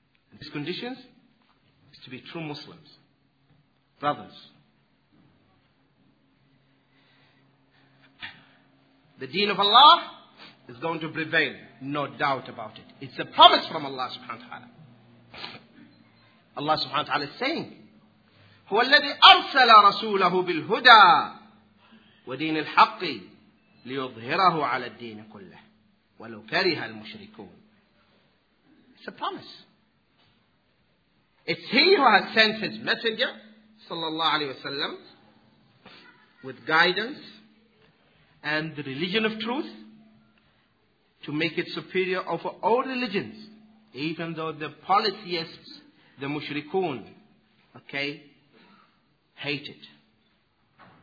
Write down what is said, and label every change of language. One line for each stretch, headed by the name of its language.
English: And these conditions is to be true Muslims, brothers. The deen of Allah is going to prevail, no doubt about it. It's a promise from Allah subhanahu wa ta'ala. Allah subhanahu wa ta'ala is saying,
Arabic: هو الذي أرسل رسوله بالهدى ودين الحق ليظهره على الدين كله ولو كره المشركون.
English: It's a promise. It's He who has sent His messenger, صلى الله عليه وسلم, with guidance and the religion of truth to make it superior over all religions, even though the polytheists, the mushrikun, okay, hate it.